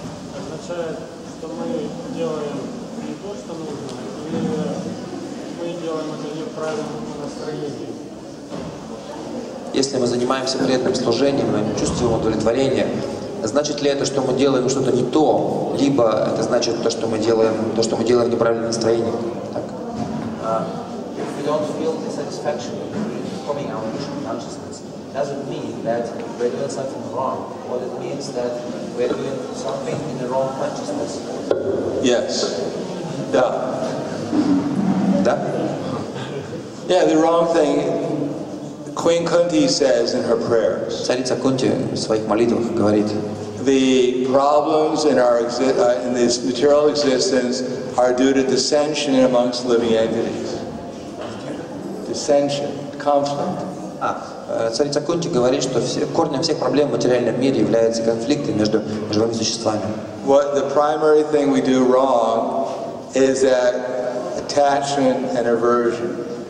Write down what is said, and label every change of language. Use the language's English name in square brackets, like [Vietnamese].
[Russian] означает, что мы делаем не то, что нужно, или мы делаем это не в правильном настроении. Если мы занимаемся преданным служением, мы чувствуем удовлетворение, значит ли это, что мы делаем что-то не то, либо это значит то, что мы делаем, то, что мы делаем в неправильном настроении? Так. [English] If we don't feel dissatisfaction coming out of Krishna consciousness, doesn't mean that we're doing something wrong. What it means that we're doing something in the wrong consciousness. Yes. Yeah. [Russian] Да? [English] Yeah, the wrong thing. Queen Kunti says in her prayers. [Russian] Царица Кунти в своих молитвах говорит. [English] The problems in our in this material existence are due to dissension amongst living entities. Dissension, conflict. [Russian] Царица Кунти говорит, что корнем всех проблем в материальном мире являются конфликты между живыми существами. [English] What the primary thing we do wrong is that attachment and aversion.